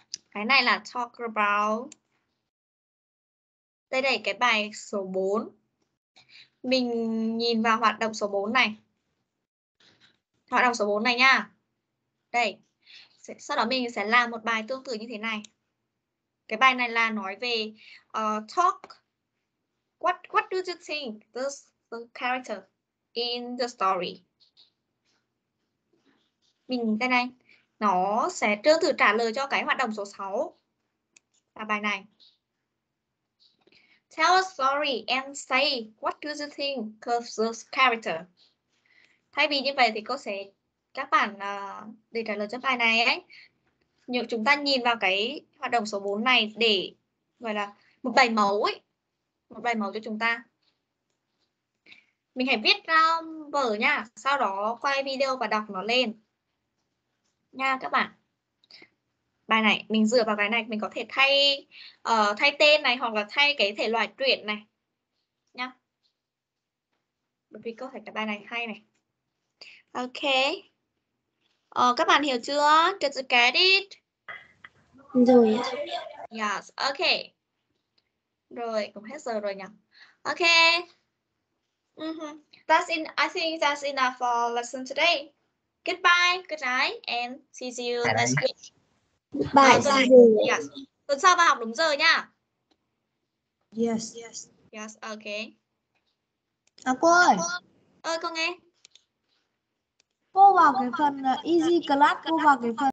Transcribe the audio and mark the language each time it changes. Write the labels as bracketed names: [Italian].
[Vietnamese] Cái này là talk about. Đây, cái bài số 4. Mình nhìn vào hoạt động số 4 này. Hoạt động số 4 này nha. Đây. Sau đó mình sẽ làm một bài tương tự như thế này. Cái bài này là nói về talk. [English] What do you think this character in the story? [Vietnamese] Mình đây này. Nó sẽ tương tự trả lời cho cái hoạt động số 6. Là bài này. [English] Tell a story and say what do you think of this character. [Vietnamese] Thay vì như vậy thì cô sẽ các bạn để trả lời cho bài này ấy. Nếu chúng ta nhìn vào cái hoạt động số 4 này để gọi là một bài mẫu ấy. Một bài mẫu cho chúng ta. Mình hãy viết ra vở nha. Sau đó quay video và đọc nó lên. Nha các bạn. Bài này, mình dựa vào cái này, mình có thể thay thay tên này hoặc là thay cái thể loại truyện này. Nha. Bởi vì có thể cái bài này hay này. Ok. Các bạn hiểu chưa? [English] Did you get it? [Vietnamese] Rồi. Yes, ok. Rồi, cũng hết giờ rồi nhỉ. Ok. [English] I think that's enough for lesson today. Goodbye, good night, and see you next week. Bye. [Vietnamese] Tuần sau vào học đúng giờ nha. [English] Yes, ok. [Vietnamese] À, cô ơi. Ơi, cô nghe. Cô vào cái phần easy class, cô vào cái phần...